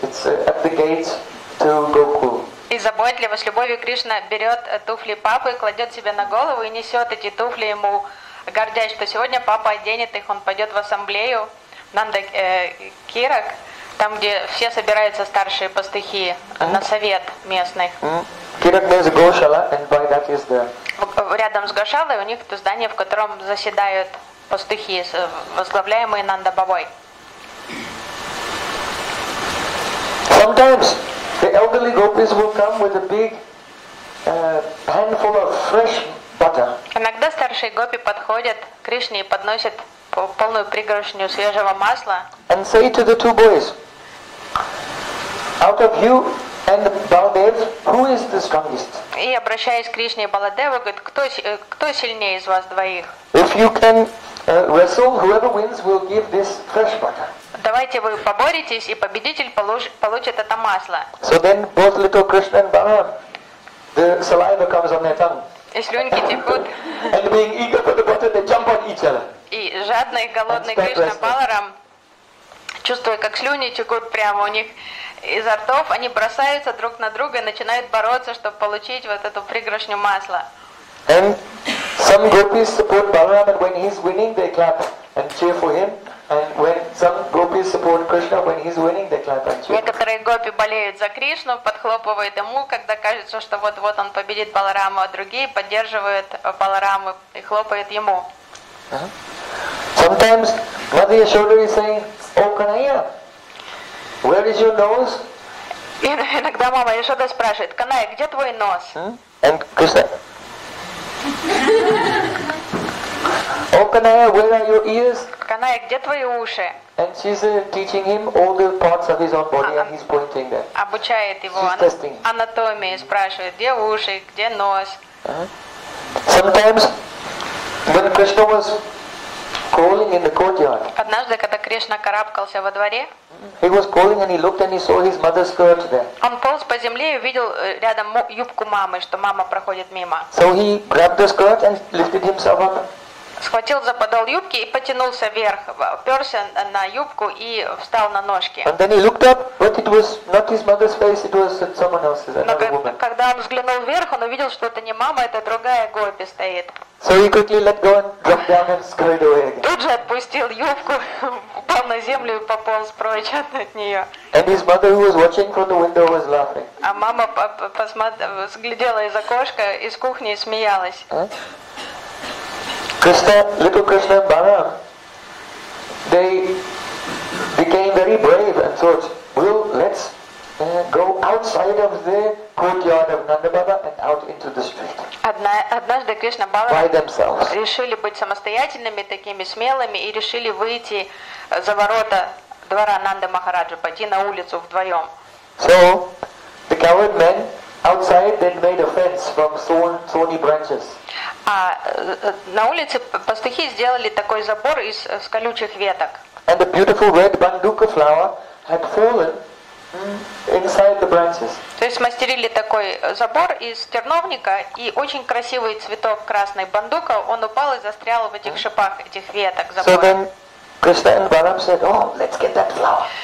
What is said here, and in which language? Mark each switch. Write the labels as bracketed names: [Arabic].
[English] It's at the gates to Gokul. [Russian] И заботливо, с любовью Кришна берет туфли папы, кладет себе на голову и несет эти туфли ему, гордясь, что сегодня папа оденет их, он пойдет в ассамблею Нандакирак. Там, где все собираются старшие пастухи на совет местных. [English] Kirak means Goshala, and by that is the. [Russian] Рядом с Гошалой у них то здание, в котором заседают пастухи, возглавляемые Нанда Бабой. [English] Sometimes the elderly gopis will come with a big handful of fresh butter. [Russian] Иногда старшие гопи подходят к Кришне и подносят полную пригоршню свежего масла. [English] And say to the two boys, out of you and Baldev, who is the strongest? [Russian] И обращаясь к Кришне и Баладеву, говорит, кто сильнее из вас двоих? [English] If you can wrestle, whoever wins will give this fresh butter. [Russian] Давайте вы поборетесь, и победитель получит это масло. [English] So then both little Krishna and Balaram, the saliva comes on their tongue. [Russian] И слюнки текут. [English] And being eager for the butter, they jump on each other. [Russian] И жадный, голодный Кришна Баларам, чувствуя, как слюни текут прямо у них изо ртов, они бросаются друг на друга и начинают бороться, чтобы получить вот эту пригоршню масла. [English] And some gopis support Balaram, and when he's winning, they clap and cheer for him. And when some gopis support Krishna, when he's winning, they clap and cheer. [Russian] Некоторые гопи болеют за Кришну, подхлопывают ему, когда кажется, что вот-вот он победит Баларама, а другие поддерживают Баларама и хлопают ему. [English] Sometimes Mother Yashoda is saying, "Oh Kanhaiya, where is your nose?" [Russian] Иногда мама Яшода спрашивает, Канайя, где твой нос? [English] And Krishna. Oh Kanhaiya, where are your ears? [Russian] Канайя, где твои уши? [English] And she's teaching him all the parts of his own body, and he's pointing there. [Russian] Обучает его. [English] She's testing. [Russian] Анатомия спрашивает, где уши, где нос? [English] Sometimes when Krishna was crawling in the courtyard. [Russian] Однажды, когда Кришна карабкался во дворе. [English] He was crawling and he looked and he saw his mother's skirt there. [Russian] Он полз по земле и увидел рядом юбку мамы, что мама проходит мимо. [English] So he grabbed the skirt and lifted himself up. [Russian] Схватил за подол юбки и потянулся вверх, уперся на юбку и встал на ножки. [English] And then he looked up, but it was not his mother's face, it was someone else's, another woman. [Russian] Когда он взглянул вверх, он увидел, что это не мама, это другая гопи стоит. [English] So he quickly let go and dropped down and scurried away again. [Russian] Тут же отпустил юбку, упал на землю и пополз прочь от нее. [English] And his mother, who was watching from the window, was laughing. [Russian] А мама взглядела из окошка, из кухни и смеялась. [English] Krishna, little Krishna and Balaram, they became very brave and thought, "Well, let's go outside of the courtyard of Nanda Baba and out into the street." [Russian] Однажды Кришна Баларам [English] by themselves [Russian] решили быть самостоятельными, такими смелыми, и решили выйти за ворота двора Нанда Махараджа, пойти на улицу вдвоем. [English] So the coward men outside then made a fence from thorny branches. [Russian] А на улице пастухи сделали такой забор из колючих веток. [English] And a beautiful red banduka flower had fallen inside the branches. [Russian] То есть смастерили такой забор из терновника, и очень красивый цветок красный бандука, он упал и застрял в этих шипах этих веток забора. [English] So then Krishna and Balaram said, "Oh, let's get that flower."